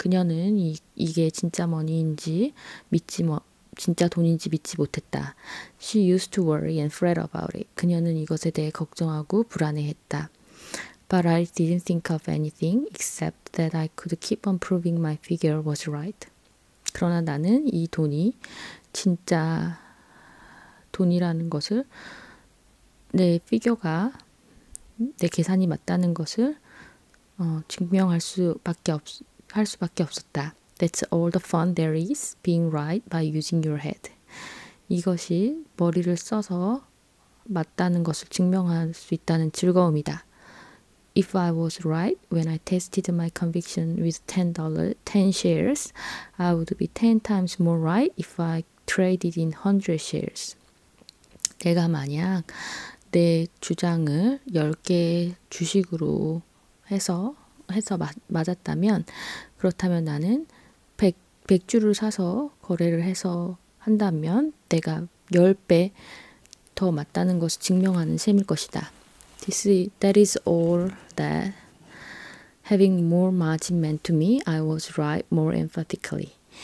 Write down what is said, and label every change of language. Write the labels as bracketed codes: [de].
[ko] 그녀는 이게 진짜 머니인지 믿지 뭐 진짜 돈인지 믿지 못했다. [en] She used to worry and fret about it. [ko] 그녀는 이것에 대해 걱정하고 불안해했다. [en] But I didn't think of anything except that I could keep on proving my figure was right. [ko] 그러나 나는 이 돈이 진짜 돈이라는 것을 내 피규어가 내 계산이 맞다는 것을 증명할 수밖에 없할 수밖에 없었다. [en] That's all the fun there is being right by using your head. [ko] 이것이 머리를 써서 맞다는 것을 증명할 수 있다는 즐거움이다. [en] If I was right when I tested my conviction with ten shares, I would be 10 times more right if I traded in 100 shares. [ko] 내가 만약 내 주장을 10개 주식으로 해서 맞았다면, 그렇다면 나는 100주를 사서 거래를 해서 한다면 내가 10배 더 맞다는 것을 증명하는 셈일 것이다. [en] That is all that having more margin meant to me, I was right more emphatically.